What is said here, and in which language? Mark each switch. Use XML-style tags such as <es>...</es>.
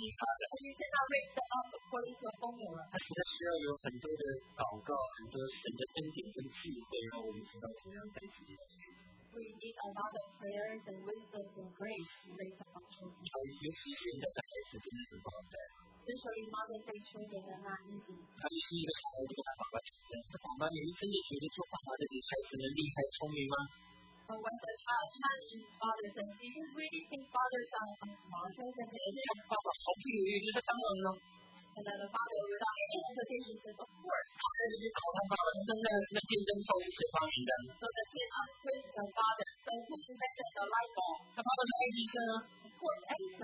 <en>you cannot raise them up according to a formula. But he needs a lot of prayer, a lot of God's grace and wisdom to raise up our children. We need a lot of prayers and wisdom and grace to raise up our children. Especially modern day children are not easy.</en> <zh>他就是一个好孩子，跟他爸爸竞争。他爸爸，你们真的觉得做爸爸的比孩子能厉害、聪明吗？</zh> <en>So when the child challenges father, says, do you really think fathers are smarter than kids? And then the father, without any hesitation, says, of course. So the kid asks with the father, so who invented the light bulb? Of course, Edison.</en>